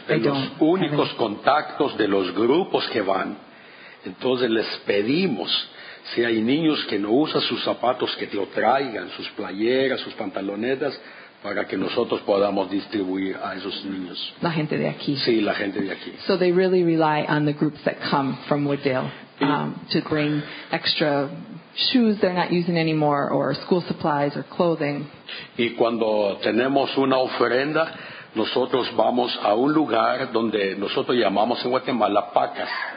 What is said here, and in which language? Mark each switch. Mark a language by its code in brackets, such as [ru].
[es] Los únicos contactos de los grupos que van, entonces les pedimos, si hay niños que no usan sus zapatos, que te lo traigan, sus playeras, sus pantalonetas, para que nosotros podamos distribuir a esos niños. La gente de aquí. Sí, la gente de aquí. [en] So they really rely on the groups that come from Wooddale to bring extra shoes they're not using anymore, or school supplies or clothing. [es] Y cuando tenemos una ofrenda, nosotros vamos a un lugar donde nosotros llamamos en Guatemala pacas.